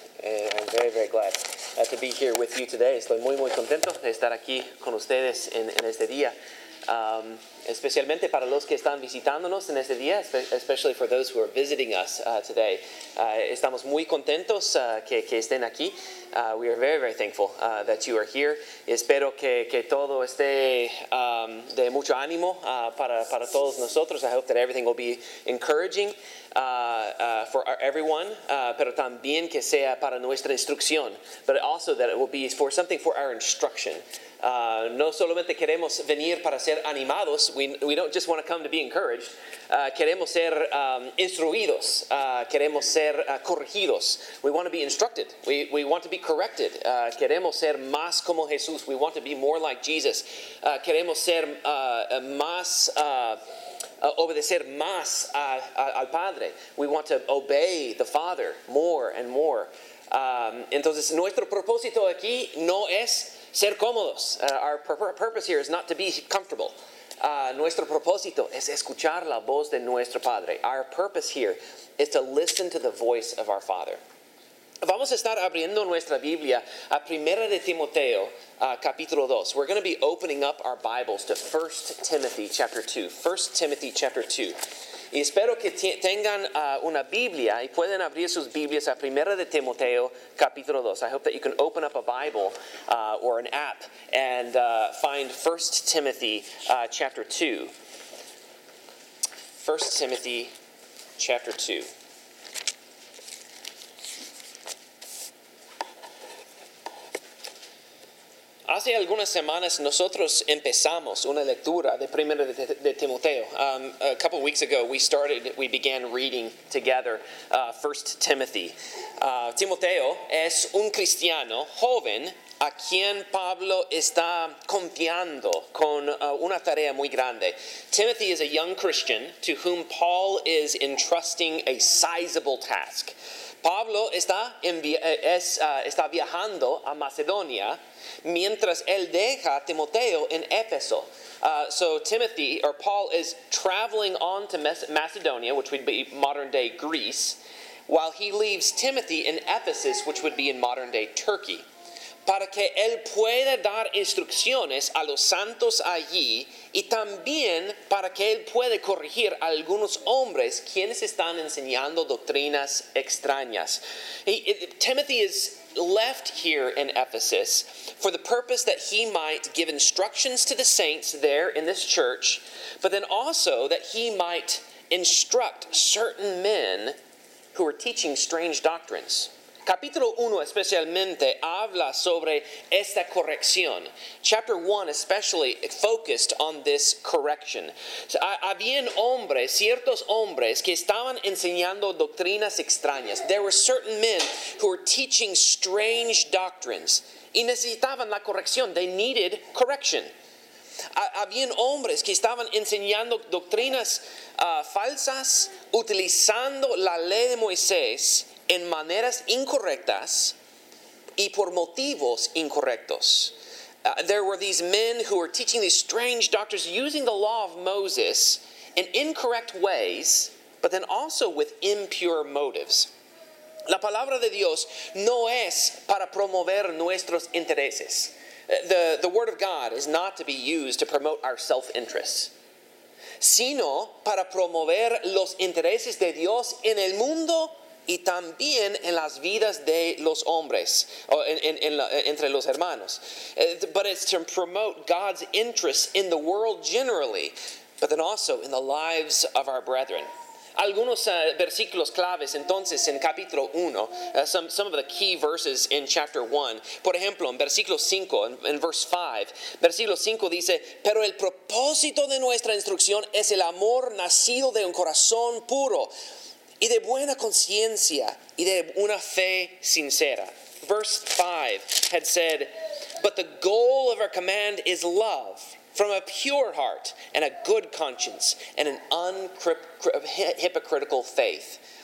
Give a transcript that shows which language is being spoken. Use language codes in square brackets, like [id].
[en] I'm very, very glad to be here with you today. [es] Estoy muy, muy contento de estar aquí con ustedes en este día. Especialmente para los que están visitándonos en este día, [en] especially for those who are visiting us today. [es] Estamos muy contentos que estén aquí. [en] We are very, very thankful that you are here. [es] Espero que todo esté de mucho ánimo para todos nosotros. [en] I hope that everything will be encouraging for everyone, [es] pero también que sea para nuestra instrucción, [en] but also that it will be for something for our instruction. [es] No solamente queremos venir para ser animados, [en] we don't just want to come to be encouraged, [es] queremos ser instruidos, queremos ser corregidos, [en] we want to be instructed, we want to be corrected, [es] queremos ser más como Jesús, [en] we want to be more like Jesus, [es] queremos ser más, obedecer más al Padre, [en] we want to obey the Father more and more. [es] Entonces nuestro propósito aquí no es ser cómodos. [en] Our purpose here is not to be comfortable. [es] Nuestro propósito es escuchar la voz de nuestro Padre. [en] Our purpose here is to listen to the voice of our Father. [es] Vamos a estar abriendo nuestra Biblia a Primera de Timoteo, capítulo 2. [en] We're going to be opening up our Bibles to 1 Timothy chapter 2. 1 Timothy chapter 2. [es] Y espero que tengan una Biblia y pueden abrir sus Biblias a Primera de Timoteo, capítulo 2. [en] I hope that you can open up a Bible or an app and find 1 Timothy chapter 2. 1 Timothy chapter 2. [es] Hace algunas semanas nosotros empezamos una lectura de Primera de Timoteo. [en] A couple weeks ago we began reading together 1 Timothy. [es] Timoteo es un cristiano joven a quien Pablo está confiando con una tarea muy grande. [en] Timothy is a young Christian to whom Paul is entrusting a sizable task. [es] Pablo está viajando a Macedonia mientras él deja a Timoteo en Éfeso. [en] So Timothy, or Paul, is traveling on to Macedonia, which would be modern-day Greece, while he leaves Timothy in Ephesus, which would be in modern-day Turkey. [es] Para que él pueda dar instrucciones a los santos allí y también para que él pueda corregir a algunos hombres quienes están enseñando doctrinas extrañas. [en] Timothy is left here in Ephesus for the purpose that he might give instructions to the saints there in this church, but then also that he might instruct certain men who are teaching strange doctrines. [es] Capítulo 1 especialmente habla sobre esta corrección. [en] Chapter 1 especially focused on this correction. [es] So, habían hombres, ciertos hombres, que estaban enseñando doctrinas extrañas. [en] There were certain men who were teaching strange doctrines. [es] Y necesitaban la corrección. [en] They needed correction. [es] Habían hombres que estaban enseñando doctrinas falsas, utilizando la ley de Moisés en maneras incorrectas y por motivos incorrectos. [en] There were these men who were teaching these strange doctrines using the law of Moses in incorrect ways, but then also with impure motives. [es] La palabra de Dios no es para promover nuestros intereses. [en] The word of God is not to be used to promote our self-interests, [es] sino para promover los intereses de Dios en el mundo y también en las vidas de los hombres, o entre los hermanos. [en] But it's to promote God's interests in the world generally, but then also in the lives of our brethren. [es] Algunos versículos claves, entonces, en capítulo 1, [en] some of the key verses in chapter 1. [es] Por ejemplo, en versículo 5, en verse 5, versículo 5 dice, pero el propósito de nuestra instrucción es el amor nacido de un corazón puro, y de buena conciencia, y de una fe sincera. [en] Verse 5 had said, but the goal of our command is love, from a pure heart, and a good conscience, and an hypocritical faith.